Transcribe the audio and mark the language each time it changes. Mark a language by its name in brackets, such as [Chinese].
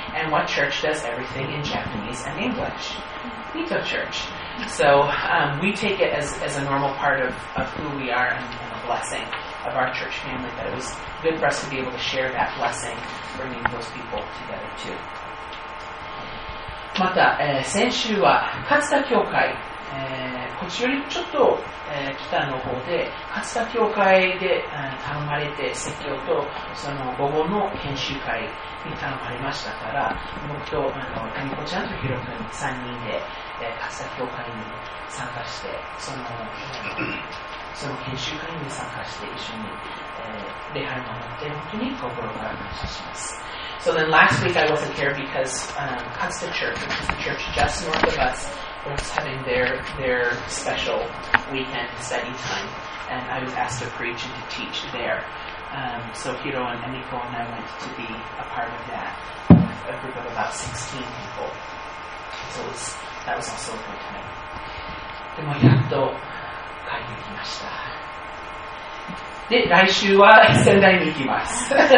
[English] And what church does everything in Japanese and English? Mito church. So we take it as a normal part of who we are and a blessing of our church family. But it was good for us to be able to share that blessing, bringing those people together too. [Japanese] また、先週は勝田教会、こっちよりちょっと、北の方で勝田教会で、頼まれて説教と、その午後の研修会に頼まれましたから、僕と谷子ちゃんとヒロ君3人で、勝田教会に参加して、その研修会に参加して一緒に、礼拝を守って本当に心から感謝します。 [English] So then last week I wasn't here because Katsuta Church, which is the church just north of us, was having their special weekend study time, and I was asked to preach and to teach there. So Hiro and Emiko and I went to be a part of that, a group of about 16 people. So that was also a good time. [Japanese] でもやっと帰ってきました。で、来週は仙台に行きます。